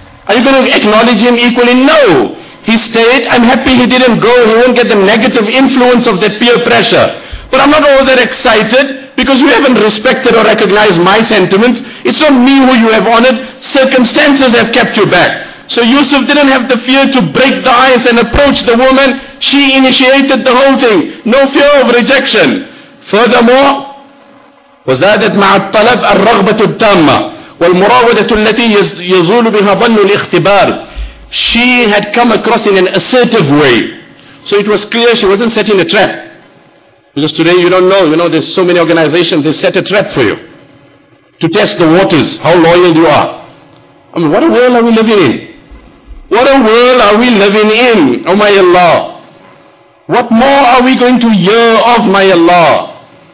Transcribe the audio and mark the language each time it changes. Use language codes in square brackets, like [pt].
[en] Are you going to acknowledge him equally? No. He stayed, I'm happy he didn't go, he won't get the negative influence of that peer pressure. But I'm not all that excited, because you haven't respected or recognized my sentiments. It's not me who you have honored. Circumstances have kept you back. So Yusuf didn't have the fear to break the ice and approach the woman. She initiated the whole thing. No fear of rejection. Furthermore, [ar] وَزَادَتْ مَعَ الطَّلَبَ الرَّغْبَةُ التَّامَّةُ وَالْمُرَاوَدَةُ الَّتِي يَزُولُ بِهَا ظَنُّ الْإِخْتِبَارِ. [en] She had come across in an assertive way. So it was clear she wasn't setting a trap. Because today you don't know, you know, there's so many organizations, they set a trap for you. To test the waters, how loyal you are. I mean, what a world are we living in? What a world are we living in, oh my Allah? What more are we going to hear of, my Allah?